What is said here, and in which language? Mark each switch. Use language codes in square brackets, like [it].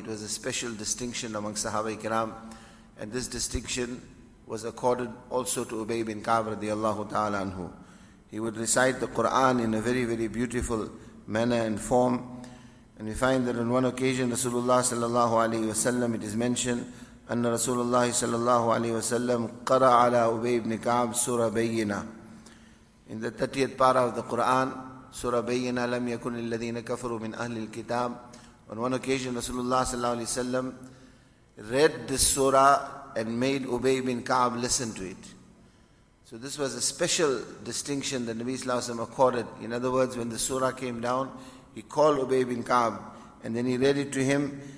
[en] It was a special distinction among Sahaba Ikram, and this distinction was accorded also to Ubay bin Ka'b radiallahu ta'ala anhu. He would recite the Quran in a very, very beautiful manner and form. And we find that on one occasion, Rasulullah sallallahu alayhi wa sallam, it is mentioned, [ar] أن رسول الله صلى الله عليه وسلم قرأ على أبي بن كعب سورة بينة. [en] In the 30th para of the Quran, [ar] سورة بينة لم يكن الذين كفروا من أهل الكتاب. [en] On one occasion, Rasulullah [ar] صلى الله عليه وسلم [en] read this surah and made Ubay bin Ka'b listen to it. So this was a special distinction that Nabi Sallallahu Alaihi Wasallam accorded. In other words, when the surah came down, he called Ubay bin Ka'b and then he read it to him.